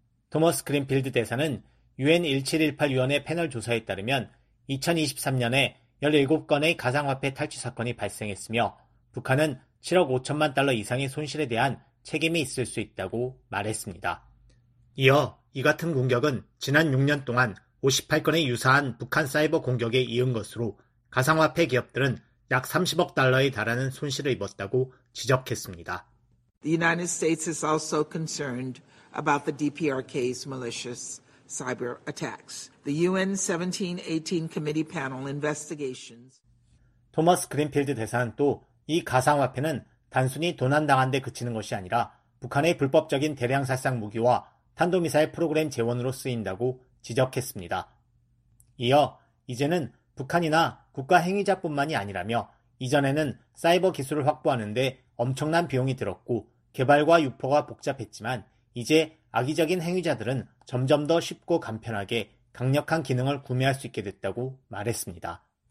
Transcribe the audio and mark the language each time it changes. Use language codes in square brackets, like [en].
[ko] 토머스 그린필드 대사는 유엔 1718위원회 패널 조사에 따르면 2023년에 17건의 가상화폐 탈취 사건이 발생했으며 북한은 7억 5천만 달러 이상의 손실에 대한 책임이 있을 수 있다고 말했습니다. 이어 이 같은 공격은 지난 6년 동안 58건의 유사한 북한 사이버 공격에 이은 것으로 가상화폐 기업들은 약 30억 달러에 달하는 손실을 입었다고 지적했습니다. [en] The United States is also concerned about the DPRK's malicious cyber attacks. The UN 1718 committee panel investigations. [ko] 토머스 그린필드 대사는 또 이 가상화폐는 단순히 도난당한 데 그치는 것이 아니라 북한의 불법적인 대량살상 무기와 탄도미사일 프로그램 재원으로 쓰인다고 지적했습니다. 이어 이제는 북한이나 국가 행위자뿐만이 아니라며 이전에는 사이버 기술을 확보하는 데 엄청난 비용이 들었고 개발과 유포가 복잡했지만 이제 악의적인 행위자들은 점점 더 쉽고 간편하게 강력한 기능을 구매할 수 있게 됐다고 말했습니다.